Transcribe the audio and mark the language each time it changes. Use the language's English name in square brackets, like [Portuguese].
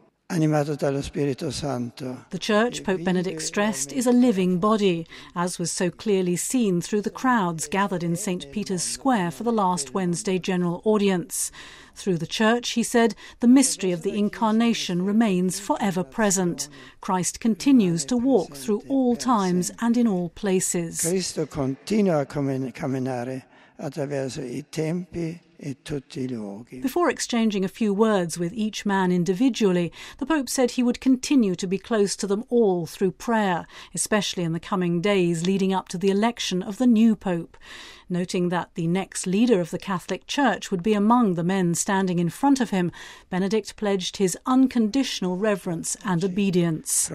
[English] The Church, Pope Benedict stressed, is a living body, as was so clearly seen through the crowds gathered in St. Peter's Square for the last Wednesday general audience. Through the Church, he said, the mystery of the Incarnation remains forever present. Christ continues to walk through all times and in all places. [Italian] Cristo continua a camminare attraverso i tempi e tutti i luoghi. [English] Before exchanging a few words with each man individually, the Pope said he would continue to be close to them all through prayer, especially in the coming days leading up to the election of the new Pope. Noting that the next leader of the Catholic Church would be among the men standing in front of him, Benedict pledged his unconditional reverence and obedience.